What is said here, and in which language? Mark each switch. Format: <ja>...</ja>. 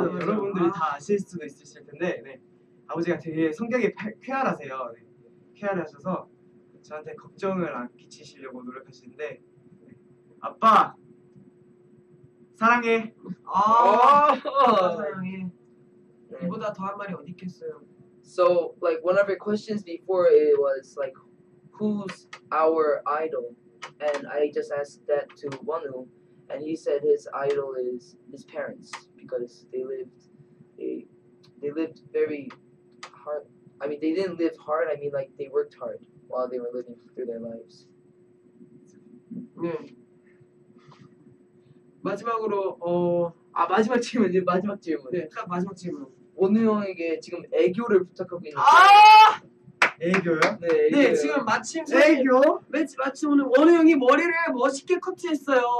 <ko>네, 여러분들이 다 아실 수도 있으실 텐데, 네. 아버지가 되게 성격이 쾌활하세요. 네. 쾌활하셔서 저한테 걱정을 안 끼치시려고 노력하시는데 아빠 사랑해. 아, 사랑해. 이보다 더한 말이 어디 있겠어요.</ko> <en>So like one of your questions before it was like who's our idol, and I just asked that to Wonu, and he said his idol is his parents because they lived very hard. I mean, they didn't live hard. I mean, like they worked hard while they were living through their lives.</en> <ko>네. 마지막으로 마지막 질문 이제 마지막 질문. 네, 딱 마지막 질문. 원우 형에게 지금 애교를 부탁하고 있는. 아! 애교요? 네. 애교요. 네, 지금 마침 애교. 마침 오늘 원우 형이 머리를 멋있게 커트했어요.</ko>